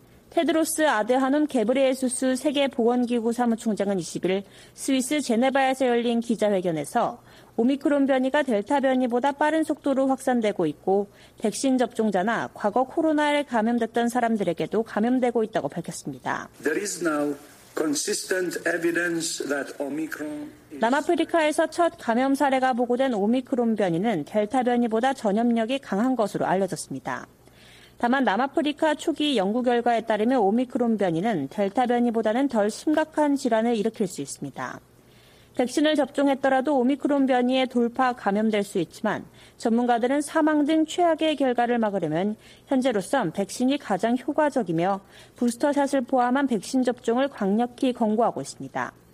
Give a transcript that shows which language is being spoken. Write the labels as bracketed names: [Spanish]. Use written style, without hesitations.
[Korean] 테드로스 아드하눔 게브레예수스 세계보건기구 사무총장은 20일 스위스 제네바에서 열린 기자회견에서 오미크론 변이가 델타 변이보다 빠른 속도로 확산되고 있고 백신 접종자나 과거 코로나에 감염됐던 사람들에게도 감염되고 있다고 밝혔습니다. [English] There is now consistent evidence that Omicron is... [Korean] 남아프리카에서 첫 감염 사례가 보고된 오미크론 변이는 델타 변이보다 전염력이 강한 것으로 알려졌습니다. 다만 남아프리카 초기 연구 결과에 따르면 오미크론 변이는 델타 변이보다는 덜 심각한 질환을 일으킬 수 있습니다. 백신을 접종했더라도 오미크론 변이에 돌파 감염될 수 있지만 전문가들은 사망 등 최악의 결과를 막으려면 현재로선 백신이 가장 효과적이며 부스터샷을 포함한 백신 접종을 강력히 권고하고 있습니다.